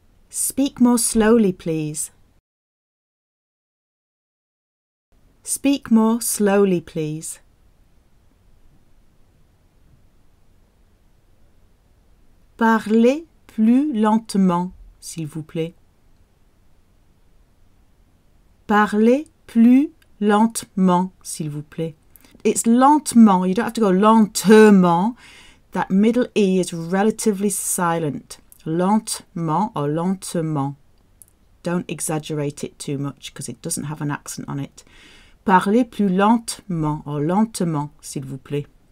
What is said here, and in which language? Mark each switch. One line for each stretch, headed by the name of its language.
English: Speak more slowly, please. Speak more slowly, please.
French: Parlez plus lentement, s'il vous plaît. Parlez plus lentement, s'il vous plaît.
English: It's lentement. You don't have to go lentement. That middle E is relatively silent. Lentement or lentement. Don't exaggerate it too much because it doesn't have an accent on it.
French: Parlez plus lentement or lentement, s'il vous plaît.